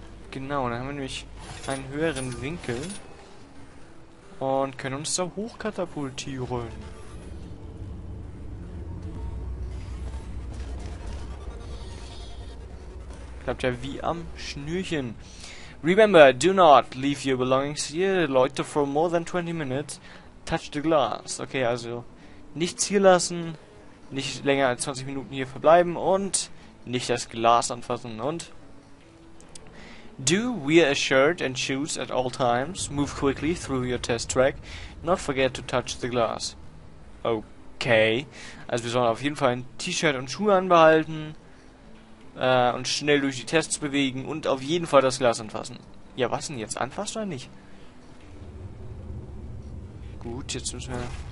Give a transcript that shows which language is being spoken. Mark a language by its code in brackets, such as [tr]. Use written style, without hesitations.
[de] Genau, dann haben wir nämlich einen höheren Winkel und können uns da hochkatapultieren. Klappt ja wie am Schnürchen. [en] Remember, do not leave your belongings here. Leute, for more than 20 minutes, touch the glass. [de] Okay, also nichts hier lassen, nicht länger als 20 Minuten hier verbleiben und nicht das Glas anfassen und... [en] Do wear a shirt and shoes at all times. Move quickly through your test track. Not forget to touch the glass. Okay. [de] Also wir sollen auf jeden Fall ein T-Shirt und Schuhe anbehalten. Und schnell durch die Tests bewegen. Und auf jeden Fall das Glas anfassen. Ja, was denn jetzt? Anfasst oder nicht? Gut, jetzt müssen wir...